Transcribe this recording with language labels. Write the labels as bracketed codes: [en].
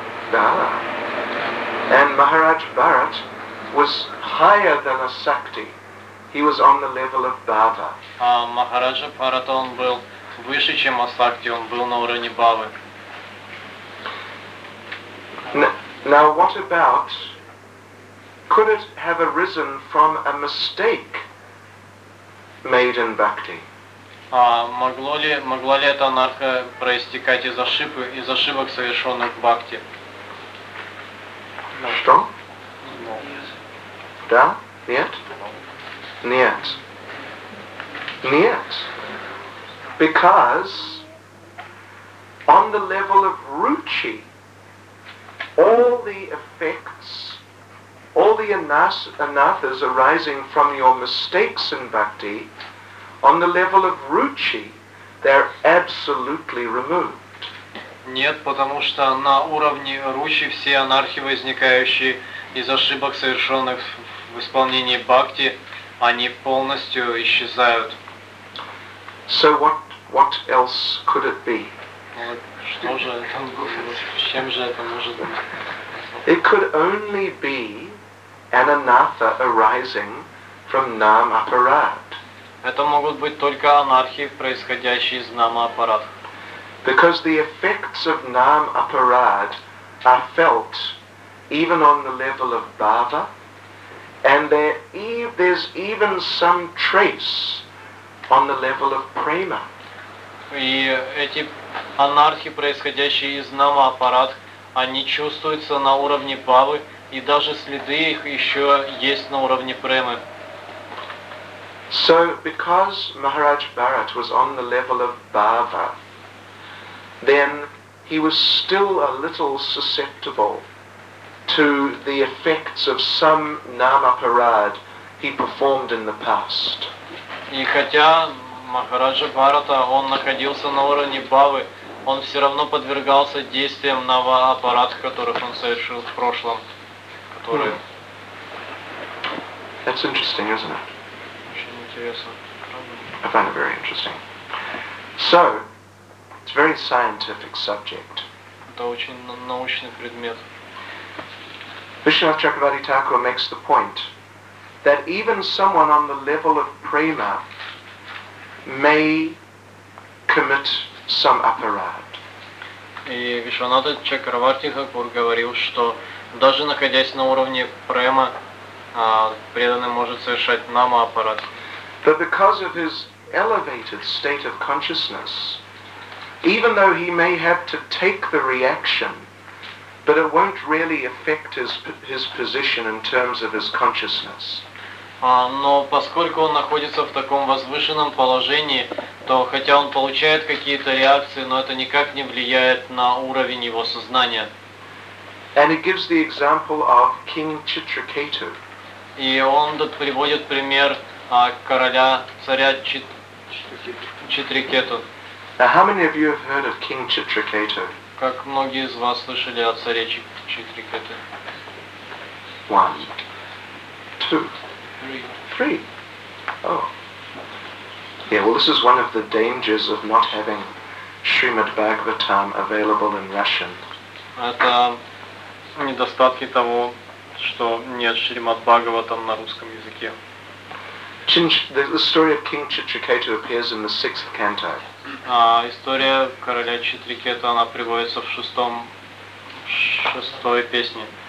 [ru] Да. [en] And Maharaj Bharat was higher than a sakti. He was on the level of bhava. [ru] А Махараджа Бхарата он был выше, чем асакти, он был на уровне бхавы. [en] Now what about, could it have arisen from a mistake made in bhakti? [ru] А могла ли эта анарха проистекать из ошибок, совершенных в бхакти? Что? Да? Нет? Нет. Нет. [en] Because on the level of ruchi, all the effects, all the anathas arising from your mistakes in bhakti, on the level of ruchi, they're absolutely removed. [ru] Нет, потому что на уровне ручи все анархи, возникающие из ошибок, совершенных в исполнении бхакти, они полностью исчезают. [en] So what else could it be? [ru] Что же это может, чем же это может быть? [en] It could only be an anatha arising from nama aparad. [ru] Это могут быть только анархи, происходящие из нама аппарат. [en] Because the effects of nama aparad are felt even on the level of bhava, and there's even some trace on the level of prema. [ru] И эти анархи, происходящие из нама аппарат, они чувствуются на уровне бхавы, и даже следы их еще есть на уровне премы. [en] So because Maharaj Bharat was on the level of bhava, then he was still a little susceptible to the effects of some nama parad he performed in the past. [ru] И хотя Махараджа Бхарата, он находился на уровне бхавы, он все равно подвергался действиям нама апарад, которых он совершил в прошлом, которые. [en] That's interesting, isn't it? [ru] Очень интересно. [en] I find it very interesting. So, it's a very scientific subject. [ru] Это очень научный предмет. [en] Vishwanath Chakravarti Thakur makes the point that even someone on the level of prema may commit some aparad. [ru] И Вишванатха Чакраварти Хакур говорил, что даже находясь на уровне према, преданный может совершать нама аппарат. [en] But because of his elevated state of consciousness, even though he may have to take the reaction, but it won't really affect his position in terms of his consciousness. [ru] Но поскольку он находится в таком возвышенном положении, то хотя он получает какие-то реакции, но это никак не влияет на уровень его сознания. [en] And it gives the example of King Chitraketu. [ru] И он тут приводит пример короля, царя Читракету. [en] Now, how many of you have heard of King Chitraketu? [ru] Как многие из вас слышали о царе Читракету? [en] One. Two. Three. Oh. Yeah, well, this is one of the dangers of not having Srimad Bhagavatam available in Russian. [ru] Это недостатки того, что нет Шримад Бхагаватам на русском языке. [en] The story of King Chitraketu appears in the sixth canto. [ru] История короля Читракету, она приводится в шестой песне.